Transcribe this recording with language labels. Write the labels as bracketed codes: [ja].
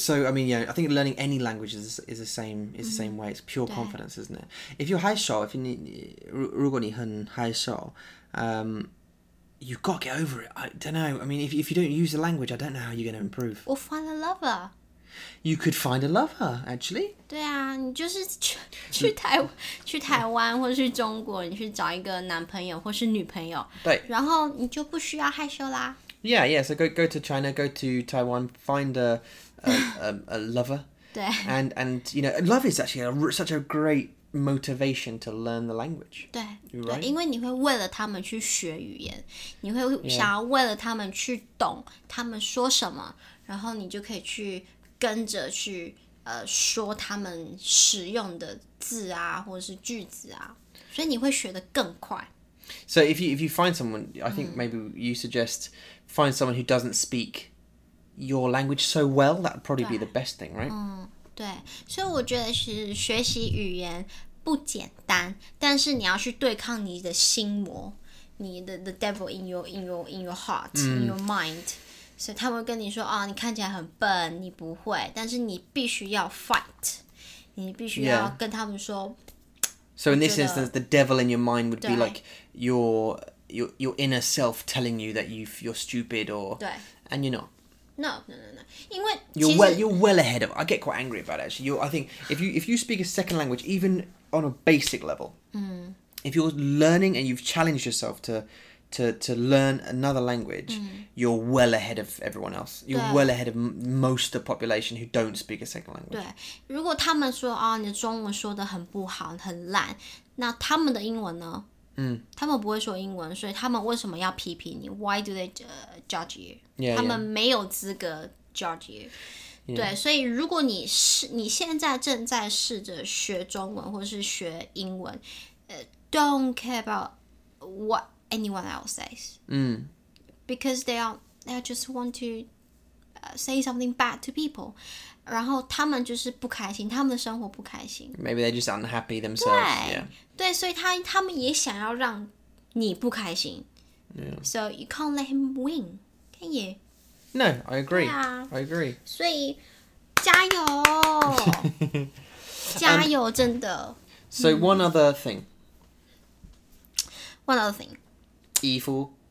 [en] So, I mean, yeah, I think learning any language is the same the same way. It's pure confidence, isn't it? If you're 害羞, [zh] 如果你很害羞, [en] you've got to get over it. I don't know. I mean, if you don't use the language, I don't know how you're going to improve. Or find a lover. You could find a lover, actually. [zh] 对啊，你就是去台湾或是中国，你去找一个男朋友或是女朋友。对。然后你就不需要害羞啦。 [en] Yeah, yeah. So go to China, go to Taiwan, find a lover. [zh] 对。 [en] And you know, love is actually such a great motivation to learn the language. [zh] 对。 [en] Right. [zh] 因为你会为了他们去学语言，你会想要为了他们去懂他们说什么，然后你就可以去。跟着去说他们使用的字啊或者是句子啊所以你会学得更快 [en] So if you find someone I think maybe you suggest find someone who doesn't speak your language so well that would probably be the best thing right [zh] 对所以我觉得是学习语言不简单但是你要去对抗你的心魔你的 [en] the devil in your heart in your mind [zh] 所以他们会跟你说、哦、你看起来很笨你不会但是你必须要 fight 你必须要跟他们说、 [en] yeah. So in this instance the devil in your mind would be like your inner self telling you that you're stupid or and you're not [zh] No 因为 [en] You're well ahead of I get quite angry about it actually I think if you speak a second language even on a basic level if you're learning and you've challenged yourself to learn another language, you're well ahead of everyone else. You're well ahead of most of the population who don't speak a second language. [zh] 对，如果他们说啊，你中文说的很不好，很烂，那他们的英文呢？他们不会说英文，所以他们为什么要批评你 ？ [en] Why do they judge you? Yeah, [zh] 他们没有资格 [en] judge you. Yeah. [zh] 对，所以如果你现在正在试着学中文或是学英文， [en] don't care about what. Anyone else says, because they just want to say something bad to people. [zh] 然后他们就是不开心，他们的生活不开心。 [en] Maybe they're just unhappy themselves. [zh] 对，所以他们也想要让你不开心。 [en] Yeah. So you can't let him win, can you? No, I agree. [zh] 对啊, [en] I agree. [zh] 所以加油，加油，真的。 [en] So one other thing. One other thing. Evil.